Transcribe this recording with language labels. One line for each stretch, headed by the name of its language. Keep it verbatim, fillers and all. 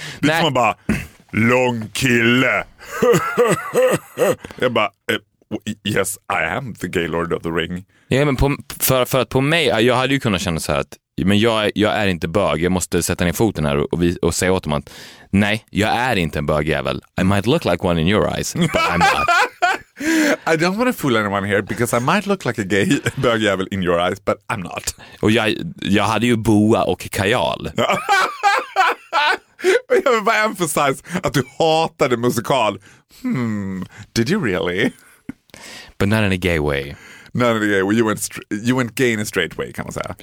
Swedish: Det är som man bara, lång kille. Jag bara,
English: yes, I am the gaylord of the ring.
Swedish: Ja, men på, för, för att på mig, jag hade ju kunnat känna så här att men jag, jag är inte bög, jag måste sätta ner foten här och, och, och säga åt dem att nej, jag är inte en bögjävel.
English: I might look like one in your eyes, but I'm not. I don't want to fool anyone here because I might look like a gay bögjävel in your eyes, but I'm not.
Swedish: Och jag, jag hade ju boa och kajal. Jag vill bara
English: emphasize
Swedish: att du hatade musikal.
English: Hmm, did you really? But not in a gay way.
Swedish: Nej, nej,
English: you went, str- you went gay in a straight way
Swedish: kan man säga.